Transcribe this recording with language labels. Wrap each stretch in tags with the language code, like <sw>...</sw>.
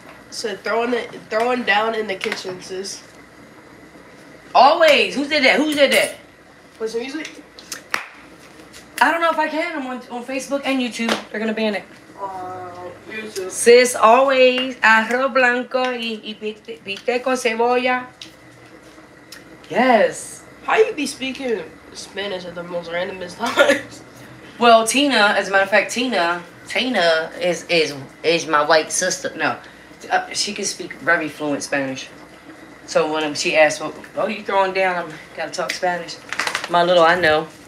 <en>So throwing down in the kitchen, sis. Always. Who did that? Play some music? I don't know if I can. I'm on Facebook and YouTube. They're going to ban it. YouTube. Sis, always.</en> <es>Arroz blanco y pite con cebolla.</es> <en>Yes. How you be speaking Spanish at the most randomest times? Well, Tina, as a matter of fact, Tina is my white sister. No, she can speak very fluent Spanish. So when she asks, well, oh, you throwing down, I'm gotta talk Spanish. My little, I know.</en>